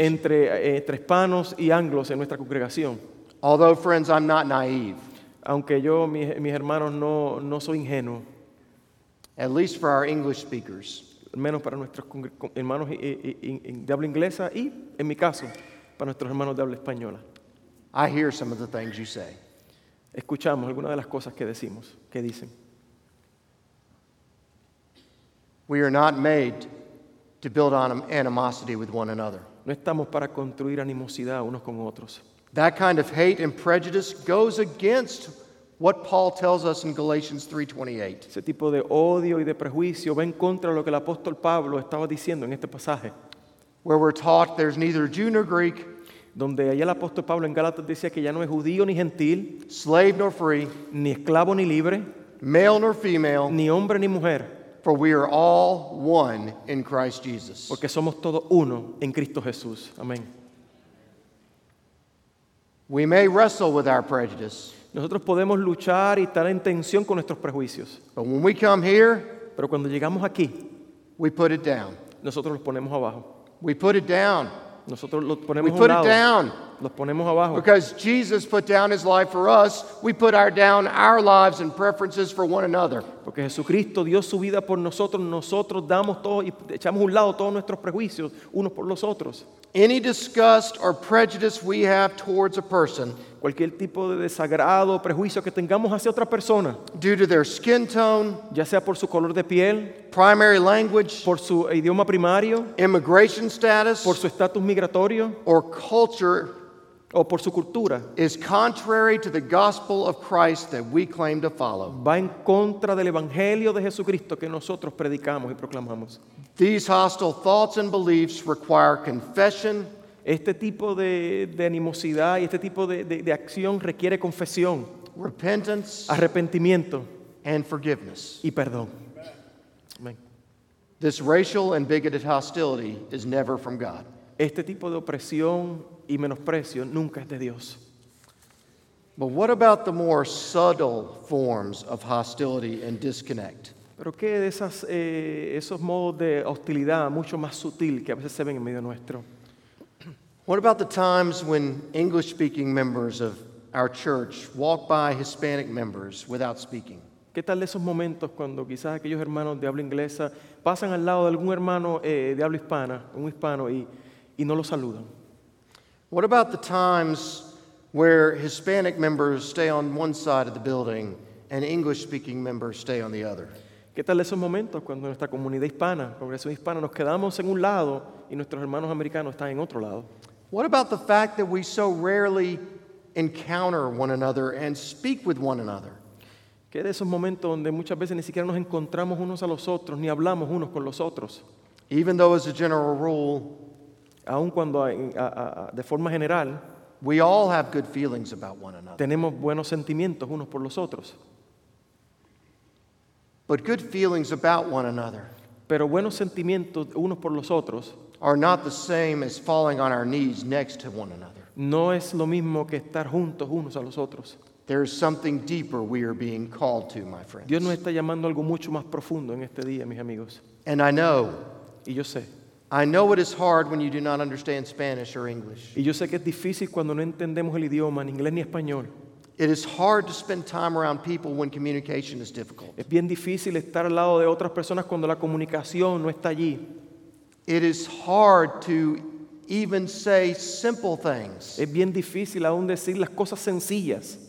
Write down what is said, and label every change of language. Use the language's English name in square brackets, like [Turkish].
[Spanish] Entre hispanos y anglos en nuestra congregación. [English] Although, friends, I'm not naive. [Spanish] Aunque yo, mis hermanos, no soy ingenuo. [English] At least for our English speakers. [Spanish] Menos para nuestros hermanos de habla inglesa y, en mi caso, para nuestros hermanos de habla española. [English] I hear some of the things you say. [Spanish] Escuchamos algunas de las cosas que decimos, que dicen. [English] We are not made to build animosity with one another. [Spanish] No estamos para construir animosidad unos con otros. [English] That kind of hate and prejudice goes against what Paul tells us in Galatians 3:28. [Spanish] Ese tipo de odio y de prejuicio va en contra de lo que el apóstol Pablo estaba diciendo en este pasaje. [English] Where we're taught there's neither Jew nor Greek. [Spanish] Donde allá el apóstol Pablo en Gálatas decía que ya no es judío ni gentil. [English] Slave nor free. [Spanish] Ni esclavo ni libre. [English] Male nor female. [Spanish] Ni hombre ni mujer. [English] For we are all one in Christ Jesus. [Spanish] Porque somos todos uno en Cristo Jesús. Amén. [English] We may wrestle with our prejudice. [Spanish] Nosotros podemos luchar y estar en tensión con nuestros prejuicios. [English] But when we come here, [Spanish] pero cuando llegamos aquí, [English] we put it down. [Spanish] Nosotros los ponemos abajo. [English] We put it down. [Spanish] Nosotros los ponemos [English] we put it down. [Spanish] Los ponemos abajo. [English] Because Jesus put down his life for us, we put down our lives and preferences for one another. [Spanish] Porque Jesucristo dio su vida por nosotros, nosotros damos todo y echamos un lado todos nuestros prejuicios unos por los otros. [English] Any disgust or prejudice we have towards a person, [Spanish] cualquier tipo de desagrado o prejuicio que tengamos hacia otra persona, [English] due to their skin tone, [Spanish] ya sea por su color de piel, [English] primary language, [Spanish] por su idioma primario, [English] immigration status, [Spanish] por su estatus migratorio, [English] or culture, [Spanish] o por su cultura, [English] is contrary to the gospel of Christ that we claim to follow. [Spanish] Va en contra del evangelio de Jesucristo que nosotros predicamos y proclamamos. [English] These hostile thoughts and beliefs require confession. [Spanish] Este tipo de animosidad y este tipo de acción requiere confesión. [English] Repentance. [Spanish] Arrepentimiento. [English] And forgiveness. [Spanish] Y perdón. Amen. [English] This racial and bigoted hostility is never from God. [Spanish] Este tipo de opresión y menosprecio nunca es de Dios. [English] But what about the more subtle forms of hostility and disconnect? [Spanish] Pero qué de esos modos de hostilidad mucho más sutil que a veces se ven en medio nuestro. [English] What about the times when English-speaking members of our church walk by Hispanic members without speaking? [Spanish] ¿Qué tal de esos momentos cuando quizás aquellos hermanos de habla inglesa pasan al lado de algún hermano de habla hispana, un hispano, y no lo saludan? [English] What about the times where Hispanic members stay on one side of the building and English-speaking members stay on the other? [Spanish] ¿Qué tal esos momentos cuando nuestra comunidad hispana, congregación hispana, nos quedamos en un lado y nuestros hermanos americanos están en otro lado? [English] What about the fact that we so rarely encounter one another and speak with one another? [Spanish] Que de esos momentos donde muchas veces ni siquiera nos encontramos unos a los otros, ni hablamos unos con los otros. [English] Even though as a general rule, [Spanish] aun cuando de forma general, [English] we all have good feelings about one another. [Spanish] Tenemos buenos sentimientos unos por los otros. [English] But good feelings about one another, [Spanish] pero buenos sentimientos unos por los otros, [English] are not the same as falling on our knees next to one another. [Spanish] No es lo mismo que estar juntos unos a los otros. [English] There is something deeper we are being called to, my friends. [Spanish] Dios nos está llamando algo mucho más profundo en este día, mis amigos. [English] And I know. [Spanish] Y yo sé. [English] I know it is hard when you do not understand Spanish or English. [Spanish] Y yo sé que es difícil cuando no entendemos el idioma, ni inglés ni español. [English] It is hard to spend time around people when communication is difficult. [Spanish] Es bien difícil estar al lado de otras personas cuando la comunicación no está allí. [English] It is hard to even say simple things. [Spanish] Es bien difícil aún decir las cosas sencillas.